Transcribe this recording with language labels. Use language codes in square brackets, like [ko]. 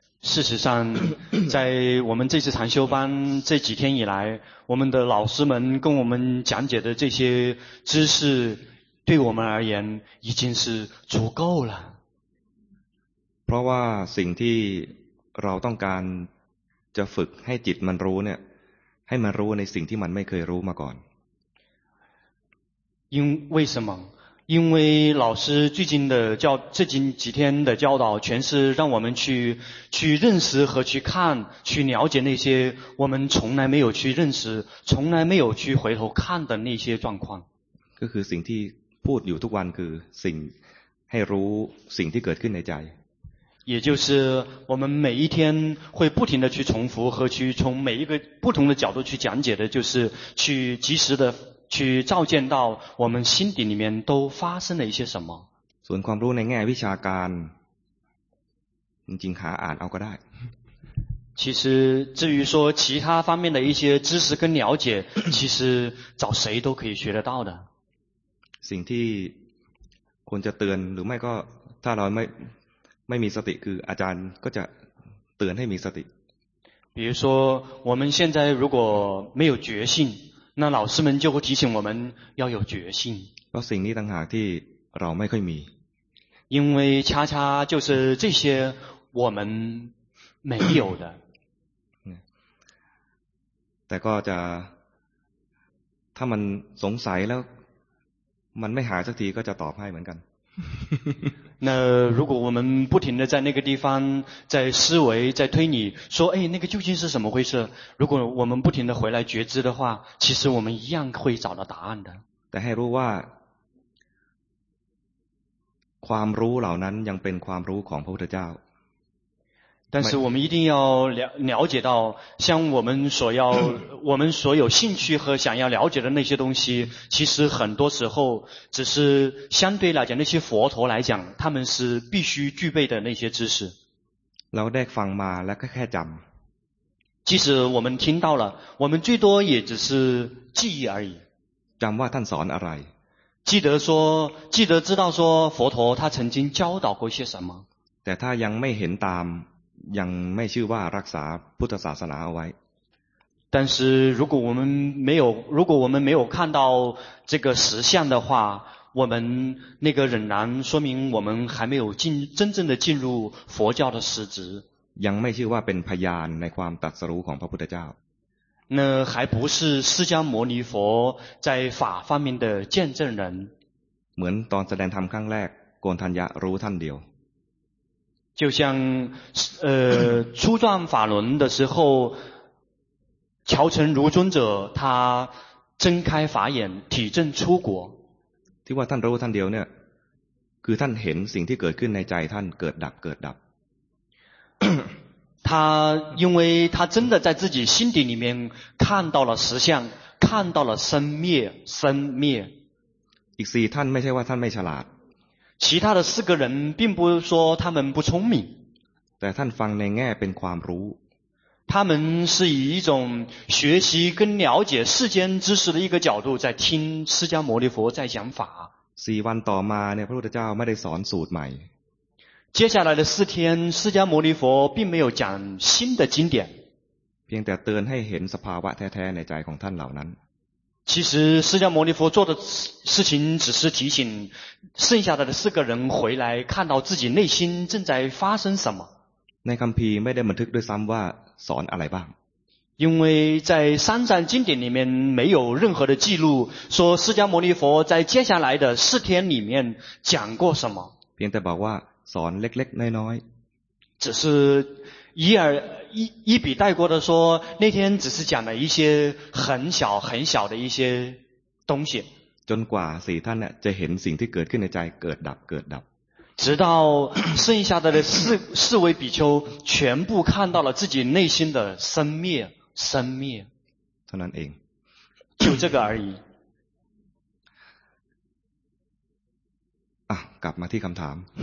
[zh] 事实上在我们这次禅修班这几天以来我们的老师们跟我们讲解的这些知识对我们而言已经是足够了 [th] เพราะว่าสิ่งที่เราต้องการจะฝึกให้จิตมันรู้เนี่ยให้มันรู้ในสิ่งที่มันไม่เคยรู้มาก่อน [zh] 为什么？因为老师最近的教，最近几天的教导，全是让我们去认识和去看，去了解那些我们从来没有去认识，从来没有去回头看的那些状况。就是事情 [th] ที่พูดอยู่ทุกวันคือสิ่งให้รู้สิ่งที่เกิดขึ้นในใจ。 [zh] 也就是我们每一天会不停的去重复和去从每一个不同的角度去讲解的，就是去及时的。去照见到我们心底里面都发生了一些什么。 [th] ส่วนความรู้ในแง่วิชาการจริงๆหาอ่านเอาก็ได้ [zh] 其实至于说其他方面的一些知识跟了解其实找谁都可以学得到的 [th] สิ่งที่ควรจะเตือนหรือไม่ก็ถ้าเราไม่มีสติคืออาจารย์ก็จะเตือนให้มีสติ [zh] 比如说我们现在如果没有决心那老师们就会提醒我们要有决心。 [th] เพราะสิ่งนี้ต่างหากที่เราไม่ค่อยมี。 [zh] 因为恰恰就是这些我们没有的。 [th] แต่ก็จะถ้ามันสงสัยแล้วมันไม่หาสักทีก็จะตอบให้เหมือนกัน。 [zh] 那如果我们不停的在那个地方在思维在推理说哎那个究竟是什么回事如果我们不停的回来觉知的话其实我们一样会找到答案的但 [th] ให้รู้ว่าความรู้เหล่านั้นยังเป็นความรู้ของพระพุทธเจ้า [zh] 但是我们一定要了解到像我们所要我们所有兴趣和想要了解的那些东西其实很多时候只是相对来讲那些佛陀来讲他们是必须具备的那些知识 [th] เราได้ฟังมาแล้วก็แค่จำ [zh] 即使我们听到了我们最多也只是记忆而已 [th] จำว่าท่านสอนอะไร [zh] 记得知道说佛陀他曾经教导过些什么 [th] แต่ถ้ายังไม่เห็นตามยังไม่ชื่อว่ารักษาพุทธศาสนาเอาไว้ [zh] 但是如果我们没有如果我们没有看到这个实相的话我们那个仍然说明我们还没有真正的进入佛教的实质 [th] ยังไม่ชื่อว่าเป็นพยานในความตรัสรู้ของพระพุทธเจ้า [zh] 那还不是释迦牟尼佛在法方面的见证人 [th] เหมือนตอนแสดงธรรมครั้งแรกโกณฑัญญะรู้ท่านเดียว [zh] 就像初转法轮的时候乔成如尊者他睁开法眼体证出果 [th] ที่ว่าท่านรู้ท่านเดียวเนี่ยคือท่านเห็นสิ่งที่เกิดขึ้นในใจท่านเกิดดับเกิดดับ [zh] 他因为他真的在自己心底里面看到了实相看到了生灭生灭 [th] อีก4ท่านไม่ใช่ว่าท่านไม่ฉลาด [zh] 其他的四个人并不是说他们不聪明 [th] แต่ท่านฟังในแง่เป็นความรู้ [zh] 他们是以一种学习跟了解世间知识的一个角度在听释迦牟尼佛在讲法 [th] 4วันต่อมาเนี่ยพระพุทธเจ้าไม่ได้สอนสูตรใหม่ [zh] 接下来的四天释迦牟尼佛并没有讲新的经典 [th] เพียงแต่เตือนให้เห็นสภาวะแท้ๆในใจของท่านเหล่านั้น [zh] 其实释迦牟尼佛做的事情只是提醒剩下的四个人回来看到自己内心正在发生什么。 [th] ในคัมภีร์ไม่ได้บันทึกด้วยซ้ำว่าสอนอะไรบ้าง。 [zh] 因为在三藏经典里面没有任何的记录说释迦牟尼佛在接下来的四天里面讲过什么。 [th] เพียงแต่บอกว่าสอนเล็กๆน้อย [zh] ๆ只是一笔带过的说那天只是讲了一些很小很小的一些东西。 [th] จนกว่าสี่ท่านน่ะจะเห็นสิ่งที่เกิดขึ้นในใจเกิดดับเกิดดับ [zh] 直到剩下的四位比丘全部看到了自己内心的生灭生灭。 [th] ท่านเอง [zh] 就这个而已。 [th] กลับมาที่คำถาม